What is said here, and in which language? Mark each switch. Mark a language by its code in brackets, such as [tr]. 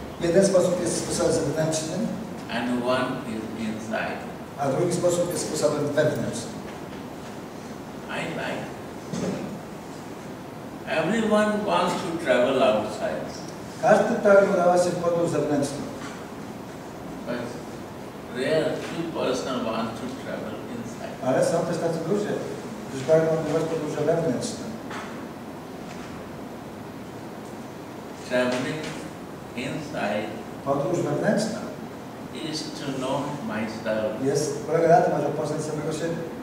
[pl] Jeden sposób jest sposób zewnętrzny. [en] And one is inside. [pl] A drugi sposób jest sposobem wewnętrznym. [en] I like. Everyone wants to travel outside. [pl] Każdy tak udawa się w podróż zewnętrzną. [en] But rare few person want to travel inside. [pl] Ale są też tacy ludzie, którzy pragną odbywać podróże wewnętrzne. [en] Traveling inside. [pl] Podróż wewnętrzna. [en] Is to know myself. [pl] Jest polega na tym, aby poznać samego siebie.